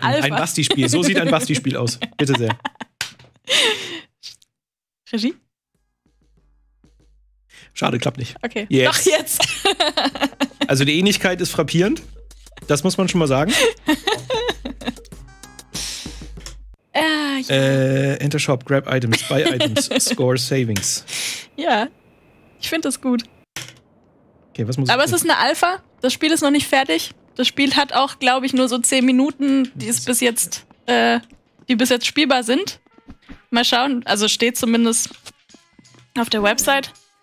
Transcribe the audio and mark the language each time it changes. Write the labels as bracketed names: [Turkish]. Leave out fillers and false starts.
[German] Das ist eine ein Basti-Spiel. So sieht ein Basti-Spiel aus. Bitte sehr. Regie? Schade, klappt nicht. Okay. Yes. Doch jetzt. Also die Ähnlichkeit ist frappierend. Das muss man schon mal sagen. [English] Enter Shop, grab items, buy items, score savings. [German] Ja, ich finde das gut. Okay, was muss ich Aber tun? Es ist eine Alpha. Das Spiel ist noch nicht fertig. Das Spiel hat auch, glaube ich, nur so 10 Minuten, die bis jetzt spielbar sind. Mal schauen. Also steht zumindest auf der Website.